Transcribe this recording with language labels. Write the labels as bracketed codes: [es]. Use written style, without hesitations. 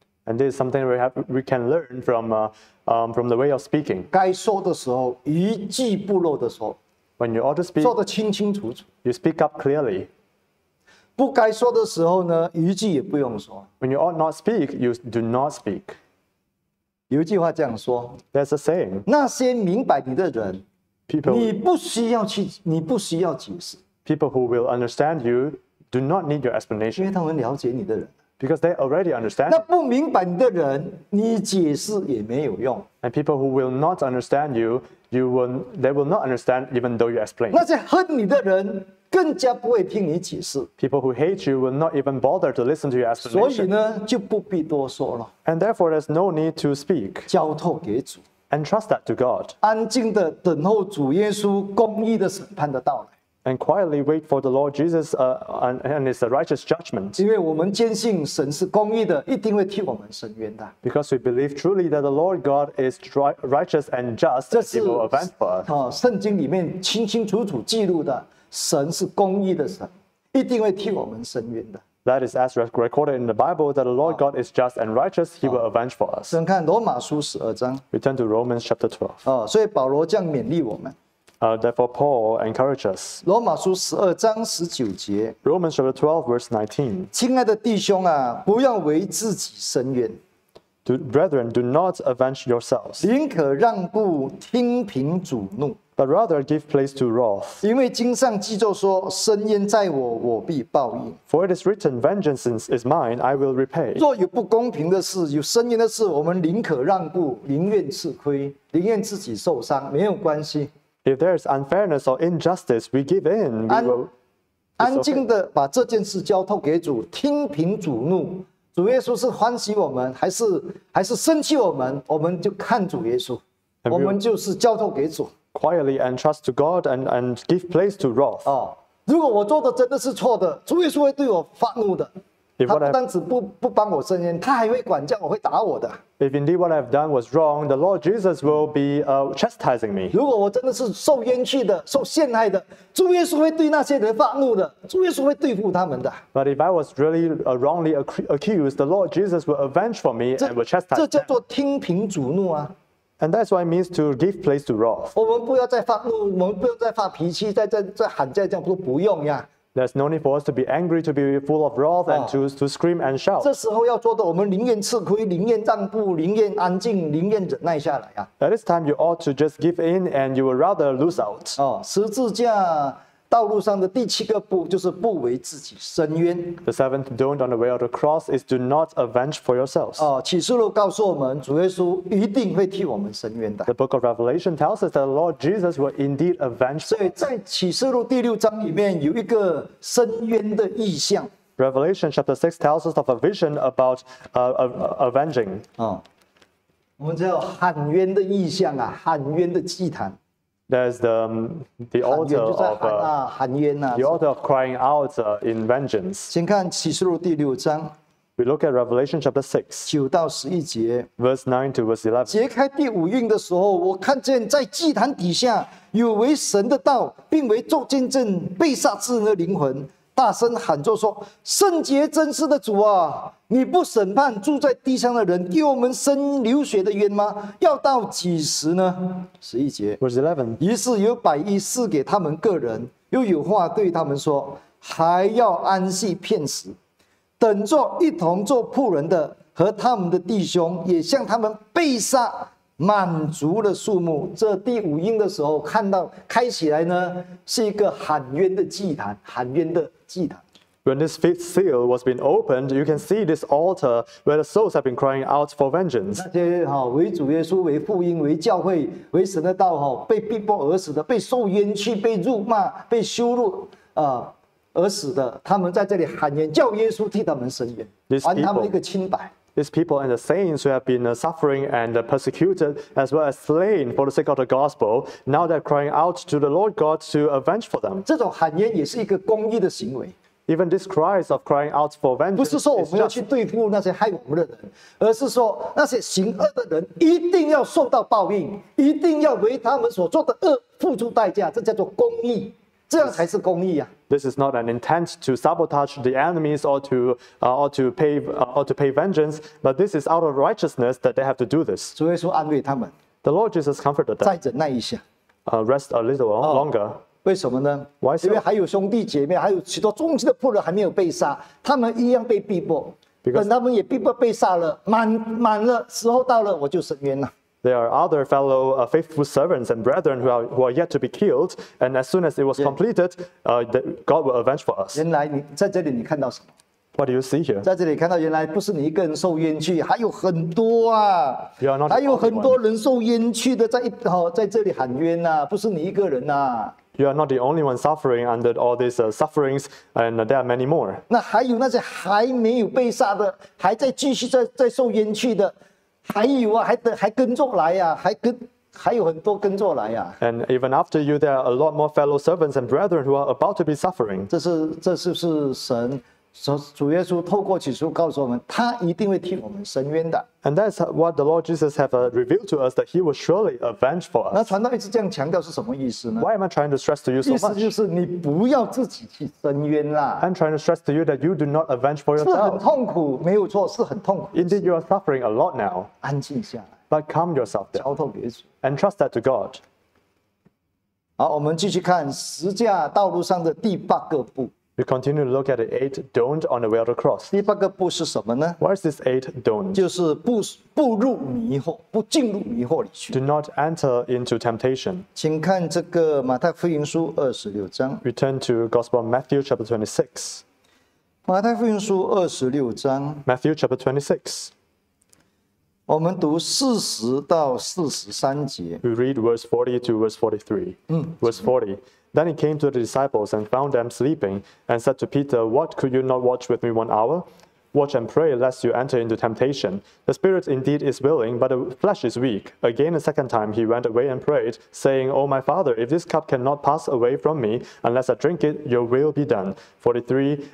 [en] And this is something we can learn from the way of speaking. [zh] 该说的时候，一句不漏的说。 [en] When you ought to speak, [zh] 说得清清楚楚。 [en] You speak up clearly. [zh] 不该说的时候呢，一句也不用说。 [en] When you ought not speak, you do not speak. [zh] 有一句话这样说。 [en] There's a saying. [zh] 那些明白你的人 [en] ，people， [zh] 你不需要解释。 [en] People who will understand you do not need your explanation. [zh] 因为他们了解你的人。 [en] Because they already understand. [zh] 那不明白你的人，你解释也没有用。 [en] And people who will not understand you, they will not understand even though you explain. [zh] 那些恨你的人。更加不会听你解释。 [en] People who hate you will not even bother to listen to your explanation. [zh] 所以呢，就不必多说了。 [en] And therefore, there's no need to speak. [zh] 交托给主。 [en] And trust that to God. [zh] 安静的等候主耶稣公义的审判的到来。 [en] And quietly wait for the Lord Jesus and his righteous judgment. [zh] 因为我们坚信神是公义的，一定会替我们伸冤的。 [en] Because we believe truly that the Lord God is righteous and just, he will avenge for us. [zh] 圣经里面清清楚楚记录的，神是公义的神，一定会替我们伸冤的。 [en] That is as recorded in the Bible that the Lord God is just and righteous, he will avenge for us. [zh] 先看罗马书十二章。 [en] Return to Romans chapter 12. [zh] 所以保罗这样勉励我们。 [en] Therefore, Paul encouraged us. [zh] 罗马书十二章十九节。 [en] Romans chapter 12, verse 19. [zh] 亲爱的弟兄啊，不要为自己伸冤。 [en] Brethren, do not avenge yourselves. [zh] 宁可让步，听凭主怒。 [en] But rather give place to wrath. [zh] 因为经上记着说，伸冤在我，我必报应。 [en] For it is written, vengeance is mine, I will repay. [zh] 若有不公平的事，有伸冤的事，我们宁可让步，宁愿吃亏，宁愿自己受伤，没有关系。 [en] If there is unfairness or injustice, we give in. We will. [zh] 安静的把这件事交托给主，听凭主怒。主耶稣是欢喜我们，还是生气我们？我们就看主耶稣，我们就是交托给主。 [en] Quietly and trust to God and give place to wrath. [zh] 如果我做的真的是错的，主耶稣会对我发怒的。他不单止不帮我伸冤，他还会管教我，会打我的。 [en] If indeed what I've done was wrong, the Lord Jesus will be chastising me. [zh] 如果我真的是受冤屈的、受陷害的，主耶稣会对那些人发怒的，主耶稣会对付他们的。 [en] But if I was really wrongly accused, the Lord Jesus will avenge for me and will chastise. [zh] 这叫做听凭主怒啊。 [en] And that's what it means to give place to wrath. [zh] 我们不要再发怒，我们不要再发脾气，再喊再叫，都不用呀。 [en] There's no need for us to be angry, to be full of wrath, and to scream and shout. [zh] 这时候要做的，我们宁愿吃亏，宁愿让步，宁愿安静，宁愿忍耐下来啊。 [en] At this time, you ought to just give in, and you would rather lose out. [zh] 十字架道路上的第七个步就是不为自己伸冤。 [en] The seventh don't on the way of the cross is do not avenge for yourselves. [zh] 启示录告诉我们，主耶稣一定会替我们伸冤的。 [en] The book of Revelation tells us that the Lord Jesus will indeed avenge. [zh] 所以在启示录第六章里面有一个伸冤的意象。 [en] Revelation chapter 6 tells us of a vision about avenging. [zh] 我们叫喊冤的意象啊，喊冤的祭坛。 [en] There's the altar of the altar of crying out in vengeance. [zh] 先看启示录第六章。 [en] We look at Revelation chapter 6, [zh] 九到十一节。 [en] Verse 9 to verse 11. [zh] 揭开第五印的时候，我看见在祭坛底下有为神的道，并为作见证被杀之人的灵魂，大声喊着说：“圣洁真实的主啊，你不审判住在地上的人，给我们伸流血的冤吗？要到几时呢？” 十一节。 [en] Verse 11. [zh] 于是有百一赐给他们个人，又有话对他们说：“还要安息片时，等着一同做仆人的和他们的弟兄，也向他们被杀满足的数目。” 这第五印的时候看到开起来呢，是一个喊冤的祭坛，喊冤的祭坛。 [en] When this fifth seal was being opened, you can see this altar where the souls have been crying out for vengeance. [zh] 那些为主耶稣、为福音、为教会、为神的道被逼迫而死的，被受冤屈、被辱骂、被羞辱而死的，他们在这里喊冤，叫耶稣替他们伸冤，还他们一个清白。 [en] These people and the saints who have been suffering and persecuted as well as slain for the sake of the gospel, now they're crying out to the Lord God to avenge for them. [zh] 这种喊冤也是一个公义的行为。 [en] Even this cries of crying out for vengeance. [zh] 不是说我们要去对付那些害我们的人，而是说那些行恶的人一定要受到报应，一定要为他们所做的恶付出代价，这叫做公义。这样才是公义啊。 [en] This is not an intent to sabotage the enemies or to pay vengeance, but this is out of righteousness that they have to do this. [zh] 主耶稣安慰他们。 [en] The Lord Jesus comforted them. [zh] 再忍耐一下。 [en] Rest a little longer. [zh] 为什么呢？ [en] Why so? [zh] 因为还有兄弟姐妹，还有许多忠心的仆人还没有被杀，他们一样被逼迫。 [en] Because [zh] 等他们也逼迫被杀了，满了时候到了，我就伸冤了。 [en] There are other fellow faithful servants and brethren who are yet to be killed, and as soon as it was completed, God will avenge for us. [zh] 原来你在这里你看到什么？ [en] What do you see here? [zh] 在这里看到原来不是你一个人受冤屈，还有很多啊。 [en] You are not. [zh] 还有很多人受冤屈的在这里喊冤啊，不是你一个人啊。 [en] You are not the only one suffering under all these sufferings, and there are many more. [zh] 那还有那些还没有被杀的，还在继续在受冤屈的。还有啊，还跟着来啊，还跟还有很多跟做来呀。 [en] And even after you, there are a lot more fellow servants and brethren who are about to be suffering. [zh] 这是神主耶稣透过启示录告诉我们，他一定会替我们伸冤的。 [en] And that's what the Lord Jesus have revealed to us that He will surely avenge for us. [zh] 那传道一直这样强调是什么意思呢 [en] ？Why am I trying to stress to you so much？ [zh] 意思就是你不要自己去伸冤啦。 [en] I'm trying to stress to you that you do not avenge for yourself. [zh] 是很痛苦，没有错，是很痛苦。 [en] Indeed, you are suffering a lot now. [zh] 安静下来。 [en] But calm yourself down. [zh] 交托给主。 [en] And trust that to God. [zh] 好，我们继续看十字架道路上的第八个步。 [en] We continue to look at the eight don't on the way of the cross. [zh] 第八个不是什么呢 [en] ？What is this eight don't? [zh] 就是不入迷惑，不进入迷惑里去。 [en] Do not enter into temptation. [zh] 请看这个马太福音书二十六章。 [en] Return to Gospel Matthew chapter 26. [zh] 马太福音书二十六章。 [en] Matthew chapter 26. [zh] 我们读四十到四十三节。 [en] We read verse 40 to verse 43. Verse 40. Then he came to the disciples and found them sleeping, and said to Peter, What, could you not watch with me 1 hour? Watch and pray, lest you enter into temptation. The spirit indeed is willing, but the flesh is weak. Again a second time he went away and prayed, saying, O my Father, if this cup cannot pass away from me, unless I drink it, your will be done. 43.